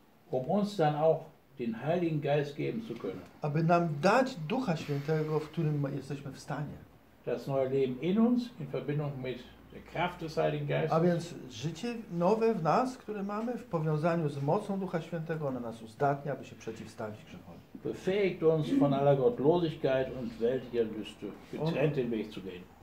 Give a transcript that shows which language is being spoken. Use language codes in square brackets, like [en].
[de] um uns dann auch den Heiligen Geist geben zu können. [pl] Aby nam dać Ducha Świętego, w którym jesteśmy w stanie. [de] Das neue Leben in uns in Verbindung mit der Kraft des Heiligen Geistes. [pl] A więc życie nowe w nas, które mamy w powiązaniu z mocą Ducha Świętego, ono nas uzdatnia, aby się przeciwstawić grzechowi. [de] Befähigt uns von aller Gottlosigkeit und weltlicher Lüste, getrennt den Weg zu gehen.